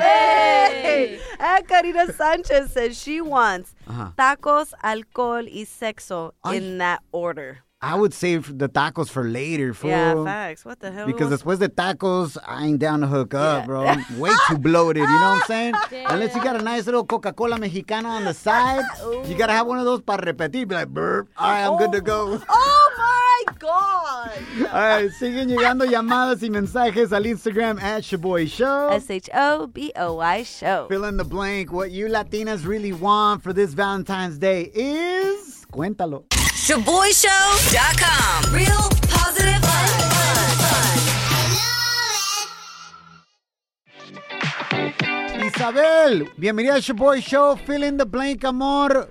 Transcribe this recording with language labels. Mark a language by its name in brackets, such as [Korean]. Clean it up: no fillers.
[English] Hey! Karina Sanchez says she wants tacos, alcohol, [Spanish] y sexo [English] in that order. I would save the tacos for later, fool. Yeah, facts. What the hell? Because [Spanish] después de tacos, [English] I ain't down to hook up, bro. I'm way too bloated, you know what I'm saying? Damn. Unless you got a nice little Coca-Cola Mexicana on the side, you got to have one of those [Spanish] para repetir. [English] Be like, burp. All right, I'm good to go. Oh, my God. All right, [Spanish] siguen llegando llamadas y mensajes al Instagram at Shaboy Show. [English] Shaboy Show. Fill in the blank. What you Latinas really want for this Valentine's Day is... [Spanish] Cuéntalo. [English] ShaboyShow.com. Real positive vibes. [Spanish] Isabel, bienvenida a Shaboy Show. [English] Fill in the blank, amor.